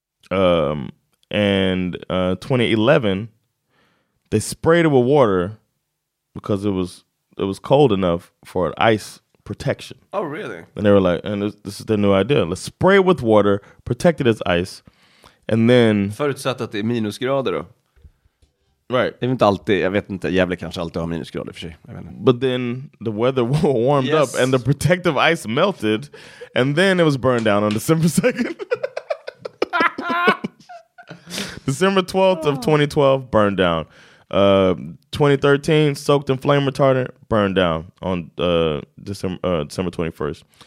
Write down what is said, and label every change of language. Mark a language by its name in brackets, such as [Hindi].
[English] And 2011, they sprayed it with water because it was cold enough for ice protection. Oh, really? And they were like, and this is their new idea. Let's spray it with water, protect it as ice, and then... [Swedish] Förutsatt att det är minusgrader då. [English] Right. [Swedish] Det är inte alltid, jag vet inte, jävla kanske alltid har minusgrader för sig. Jag vet inte. [English] But then the weather warmed up and the protective ice melted, and then it was burned down on December 2nd. December 12th of 2012, burned down. 2013, soaked in flame retardant, burned down on December 21st.